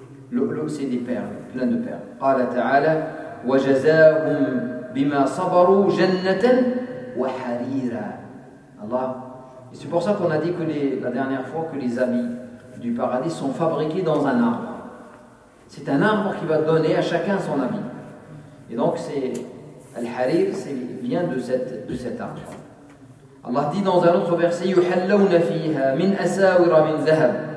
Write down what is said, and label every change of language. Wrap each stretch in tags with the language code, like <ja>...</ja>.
<fr>L'oulou, c'est des perles, plein de perles.</fr> <ar>قال تعالى وَجَزَاهُمْ بِمَا صَبَرُوا جَنَّةً وَحَرِيرًا. Allah.</ar> <fr>Et c'est pour ça qu'on a dit que la dernière fois que les habits du paradis sont fabriqués dans un arbre. C'est un arbre qui va donner à chacun son habit. Et donc c'est al-harir, c'est vient de cet arbre. Allah dit dans un autre verset:</fr> <ar>yuhalluna fiha min asawir min dhahab.</ar>